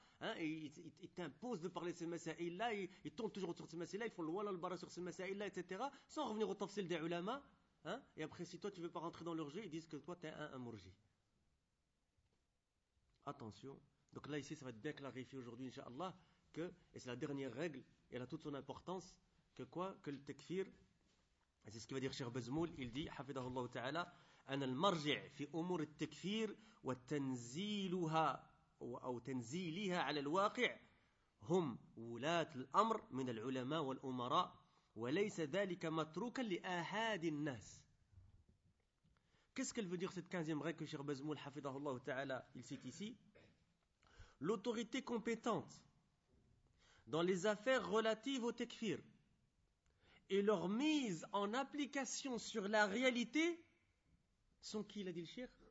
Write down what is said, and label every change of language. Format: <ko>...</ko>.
<fr>Hein, et il t'impose de parler ces messelles-là, il tourne toujours autour de ces messelles-là, il faut le wala al-bara sur ces messelles-là, etc. Sans revenir au tafsil des ulama. Hein, et après, si toi tu ne veux pas rentrer dans leur jeu, ils disent que toi tu es un mourji. Attention. Donc là, ici, ça va être bien clarifié aujourd'hui, Inch'Allah, que, et c'est la dernière règle, et elle a toute son importance, que quoi? Que le tekfir, et c'est ce qu'il va dire Cheikh Bezmoul, il dit, Hafidahullah Ta'ala,</fr> <ar>أن المرجع في أمور التكفير وتنزيلها أو تنزيلها على الواقع هم ولاة الأمر من العلماء والأمراء وليس ذلك متروكا لأحد الناس.</ar> <fr>Qu'est-ce qu'elle veut dire cette 15e règle que Cheikh Bezmoul</fr> <ar>حفظه الله تعالى</ar> <fr>il cite ici? L'autorité compétente dans les affaires relatives au tekfir et leur mise en application sur la réalité sont qui, l'a dit le shir?</fr>